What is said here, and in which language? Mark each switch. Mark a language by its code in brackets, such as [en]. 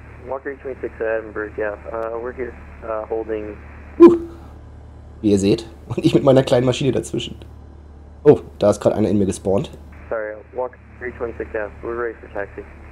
[en] Walker 26 Edinburgh, yeah, we're here holding. [de] Wie ihr seht, und ich mit meiner kleinen Maschine dazwischen. Oh, da ist gerade einer in mir gespawnt. [en] Sorry, Walker 326, yeah, we're ready for taxi.